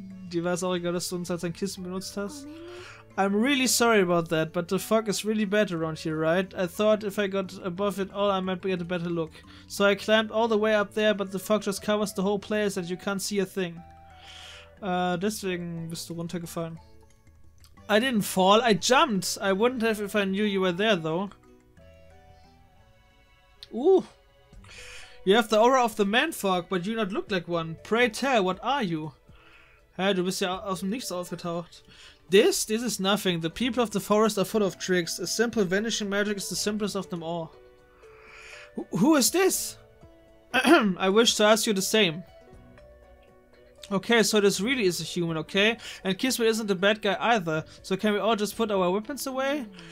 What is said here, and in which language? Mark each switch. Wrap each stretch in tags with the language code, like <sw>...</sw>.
<de>Die weiß auch egal, dass du uns als ein Kissen benutzt hast.</de> <en>I'm really sorry about that, but the fog is really bad around here, right? I thought if I got above it all, I might get a better look. So I climbed all the way up there, but the fog just covers the whole place and you can't see a thing.</en> <de>Deswegen bist du runtergefallen.</de> <en>I didn't fall, I jumped! I wouldn't have if I knew you were there, though. Ooh! You have the aura of the man fog, but you not look like one. Pray tell, what are you?</en> <de>Hä, du bist ja aus dem Nichts aufgetaucht.</de> <en>This is nothing. The people of the forest are full of tricks. A simple vanishing magic is the simplest of them all. Who is this? I wish to ask you the same. Okay, so this really is a human, okay? And Kisma isn't a bad guy either, so can we all just put our weapons away?</en>